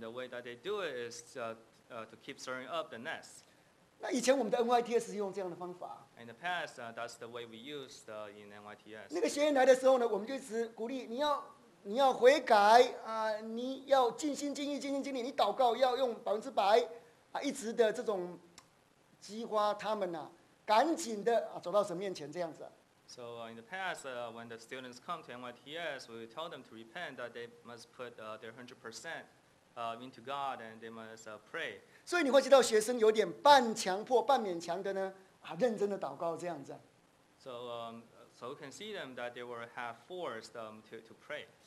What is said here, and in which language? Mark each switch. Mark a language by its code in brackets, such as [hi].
[en] the way that they do it is to keep stirring up the nest. [zh] 那以前我们的 NYTS 是用这样的方法。 [en] In the past, that's the way we used in NYTS. [zh] 那个学员来的时候呢，我们就一直鼓励你要。你要悔改, 你要尽心尽意, 尽心尽力, 你祷告, 要用100%, 一直的这种激发他们, 赶紧的, 走到神面前, 这样子。 [en] So in the past, when the students come to NYTS, we tell them to repent that they must put their 100% into God and they must pray. [zh] 所以你会知道学生有点半强迫, 半勉强的呢, 认真的祷告, 这样子。 [en] So, you can see them that they were half forced to pray.